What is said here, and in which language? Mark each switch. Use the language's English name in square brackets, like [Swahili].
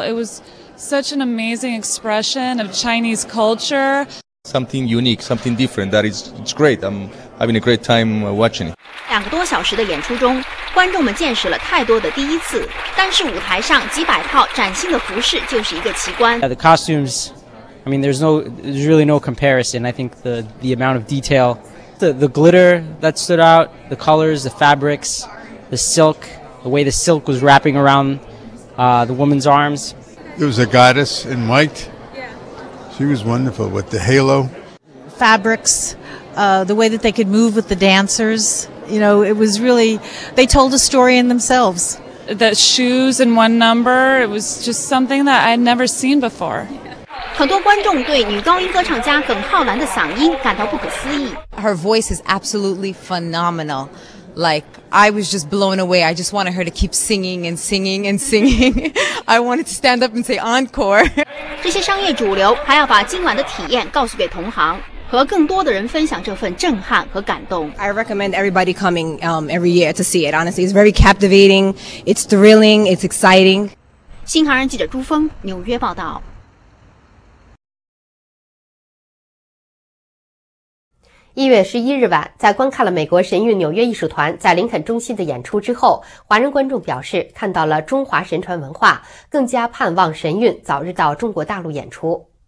[English] It was such an amazing expression of Chinese culture. Something unique, something different. That is, it's great. I'm having a great time watching it. [Chinese] 两个多小时的演出中，观众们见识了太多的第一次，但是舞台上几百套崭新的服饰就是一个奇观。 [English] Yeah, the costumes, I mean, there's really no comparison. I think the amount of detail, the glitter that stood out, the colors, the fabrics, the silk, the way the silk was wrapping around the woman's arms. It was a goddess in white. Yeah. She was wonderful with the halo. Fabrics, the way that they could move with the dancers. You know, it was really, they told a story in themselves. The shoes in one number, it was just something that I'd never seen before. [Chinese] 很多观众对女高音歌唱家耿浩兰的嗓音感到不可思议。 [English] Her voice is absolutely phenomenal. Like, I was just blown away. I just wanted her to keep singing and singing and singing. I wanted to stand up and say encore. [Chinese] 这些商业主流还要把今晚的体验告诉给同行。和更多的人分享这份震撼和感动。 [English] I recommend everybody coming every year to see it. Honestly, it's very captivating, it's thrilling, it's exciting. [Chinese] 新唐人记者朱峰，纽约报道。 1月11日晚，在观看了美国神韵纽约艺术团在林肯中心的演出之后，华人观众表示看到了中华神传文化，更加盼望神韵早日到中国大陆演出。